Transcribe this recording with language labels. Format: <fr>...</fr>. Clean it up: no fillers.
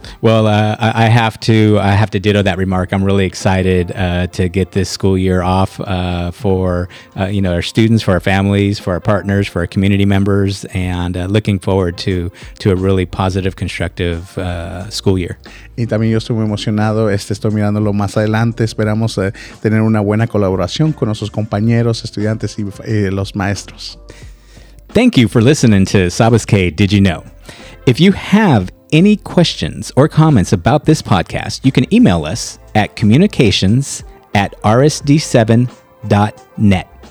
<en>Well, I have to ditto that remark. I'm really excited to get this school year off for our students, for our families, for our partners, for our community members, and looking forward to a really positive, constructive school year.</en> <es>Y también yo estoy muy emocionado. Estoy mirándolo más adelante. Esperamos tener una buena colaboración con nuestros compañeros, estudiantes y los maestros.</es> <en>Thank you for listening to Sabes Que, Did You Know? If you have any questions or comments about this podcast, you can email us at communications@rsd7.net.</en>